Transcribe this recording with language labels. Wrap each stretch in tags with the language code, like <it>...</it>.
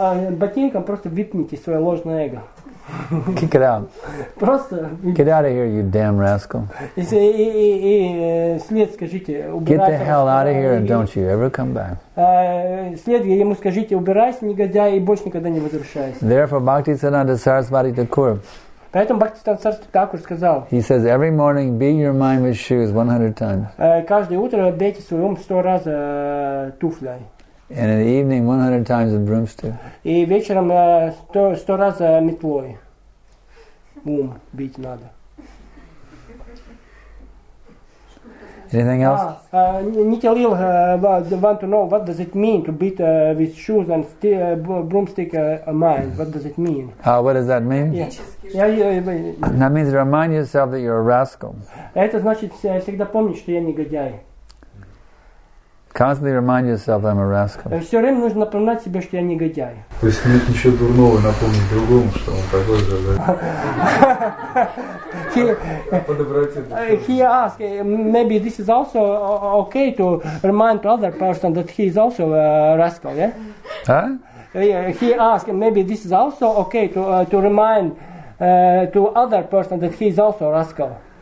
<ru>Ботинком просто выпните свое ложное эго.</ru> <en>Kick it out.</en> <ru>Просто.</ru> <en>Get out of here, you damn rascal.</en> <ru>И след скажите, убирайся.</ru> <en>Get the hell out of here and don't you ever come back.</en> <ru>След ему скажите, убирайся, негодяй, и больше никогда не возвращайся.</ru> <en>Therefore, Bhakti Siddhanta Sarasvati Thakur.</en> <ru>Поэтому Бхактисиддханта Сарасвати Такур сказал.</ru> <en>He says every morning, beat your mind with shoes 100 times.</en> <ru>Каждое утро бейте свой ум 100 раз туфлей.</ru> <en>And in the evening, 100 times with broomstick.</en> <ru>И вечером 100 раз метлой. Ум бить надо.</ru> <en>Anything else? Nitalil want to know what does it mean to beat with shoes and broomstick mind. What does it mean? What does that mean? Yeah. That means remind yourself that you're a rascal.</en> <ru>Это значит всегда помни, что я негодяй.</ru> <en>Constantly remind yourself I'm a rascal.</en> <ru>Все время нужно напоминать себе, что я негодяй. То есть нет ничего дурного напомнить другому, что он такой же, да?</ru> <en>He asked, maybe this is also okay to remind other person that he is also a rascal, yeah? Huh? He asked, maybe this is also okay to remind to other person that he is also a rascal.</en>